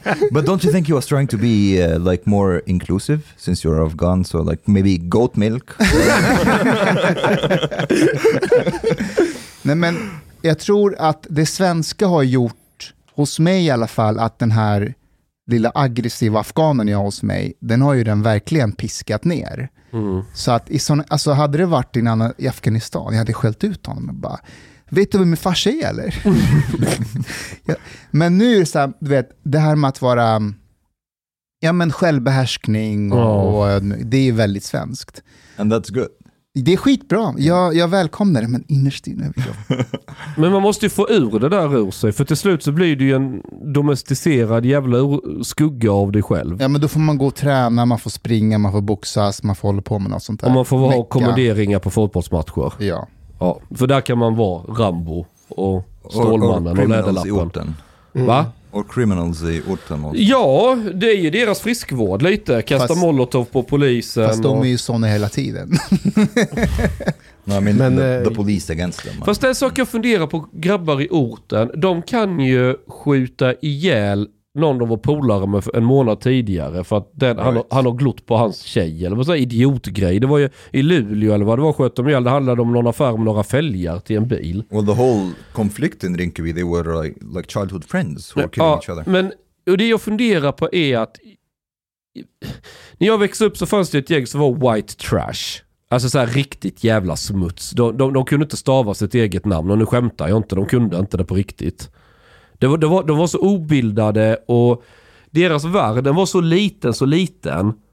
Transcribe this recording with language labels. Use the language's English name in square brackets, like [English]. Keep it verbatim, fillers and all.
[English] But don't you think you was trying to be uh, like more inclusive since you're Afghan, so like maybe goat milk? [Swedish] Nej men jag tror att det svenska har gjort hos mig i alla fall att den här lilla aggressiva afghanen jag har hos mig, den har ju den verkligen piskat ner. Mm. Så att i sån, alltså hade det varit i, annan, i Afghanistan, jag hade skällt ut honom och bara, vet du vad min farsa är eller? Ja, men nu är det så här, du vet, det här med att vara ja men självbehärskning och, och det är väldigt svenskt. [English] And that's good. [Swedish] Det är skitbra. Jag, jag välkomnar det, men innerst inne. Men man måste ju få ur det där ur sig. För till slut så blir det ju en domesticerad jävla ur- skugga av dig själv. Ja, men då får man gå och träna, man får springa, man får boxas, man får hålla på med något sånt där. Och man får ha kommenderingar på fotbollsmatcher. Ja. Ja. För där kan man vara Rambo och Stålmannen och Läderlappen. Mm. Va? Och criminals i orten också. Ja, det är ju deras friskvård lite. Kasta fast, molotov på polisen. Fast de är ju såna hela tiden. [English] No, I mean, men the, the police against them. [Swedish] Fast det är saker jag funderar på, grabbar i orten. De kan ju skjuta ihjäl någon de var polare med en månad tidigare. För att den, right. han, han har glott på hans tjej. Eller vad säger, idiotgrej. Det var ju i Luleå eller vad det var, sköt de ihjäl. Det handlade om någon affär med några fälgar till en bil. [English] Well, the whole conflict in Rinkeby, they were like, like childhood friends who were killing [Swedish] ja, [English] each other. [Swedish] Men och det jag funderar på är att när jag växte upp så fanns det ett gäng som var white trash. Alltså så här riktigt jävla smuts. De, de, de kunde inte stava sitt eget namn. Och nu skämtar jag inte, de kunde inte det på riktigt. Det var, det var, de var så obildade och deras värld, den var så liten, så liten.